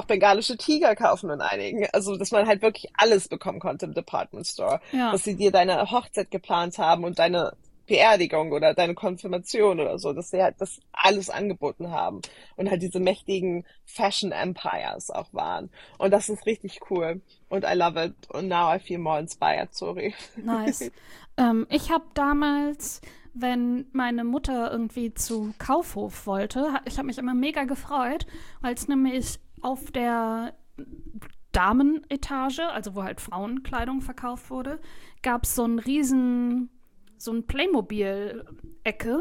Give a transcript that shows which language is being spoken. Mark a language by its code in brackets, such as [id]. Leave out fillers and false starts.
[de] auch bengalische Tiger kaufen in einigen. Also, dass man halt wirklich alles bekommen konnte im Department Store. Ja. Dass sie dir deine Hochzeit geplant haben und deine Beerdigung oder deine Konfirmation oder so. Dass sie halt das alles angeboten haben. Und halt diese mächtigen Fashion Empires auch waren. Und das ist richtig cool. [en] Und I love it. And now I feel more inspired. Sorry. [de] Nice. Ich habe damals wenn meine Mutter irgendwie zu Kaufhof wollte. Ich habe mich immer mega gefreut, weil es nämlich auf der Damenetage, also wo halt Frauenkleidung verkauft wurde, gab es so ein riesen, so ein Playmobil-Ecke.